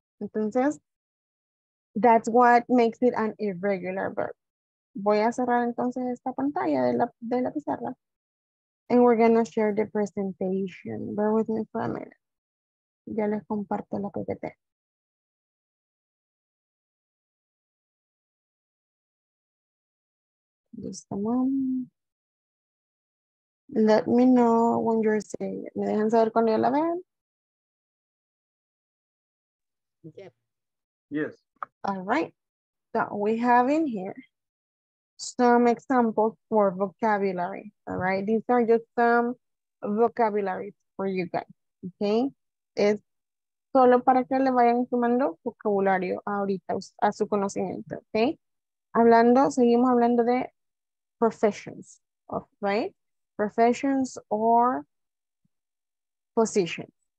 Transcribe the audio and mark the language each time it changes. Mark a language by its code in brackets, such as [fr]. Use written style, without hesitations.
[es] Entonces, [en] that's what makes it an irregular verb. [es] Voy a cerrar entonces esta pantalla de la pizarra. [en] And we're gonna share the presentation. Bear with me for a minute. [es] Ya les comparto la PPT. [en] Listo, mom. Let me know when you're seeing it. [es] ¿Me dejan saber cuando ya la vean? [en] Yep. Yes. All right. So we have in here some examples for vocabulary. All right. These are just some vocabulary for you guys. Okay. [es] Es solo para que le vayan sumando vocabulario ahorita a su conocimiento. Okay. Hablando, seguimos hablando de professions. Right. [en] Professions or positions.